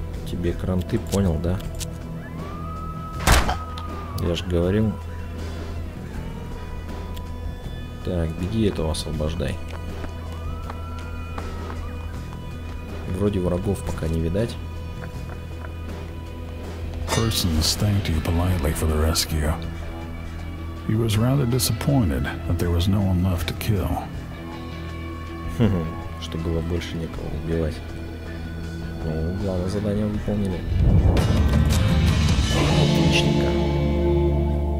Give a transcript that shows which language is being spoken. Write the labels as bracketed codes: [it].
[ru] Тебе кранты, понял, да? Я же говорил. Так, беги этого освобождай. Вроде врагов пока не видать. [en] Persons thanked you politely for the rescue. He was rather disappointed that there was no one left to kill. [ru] Что было больше некого убивать. Ну, главное задание выполнили. Отличненько.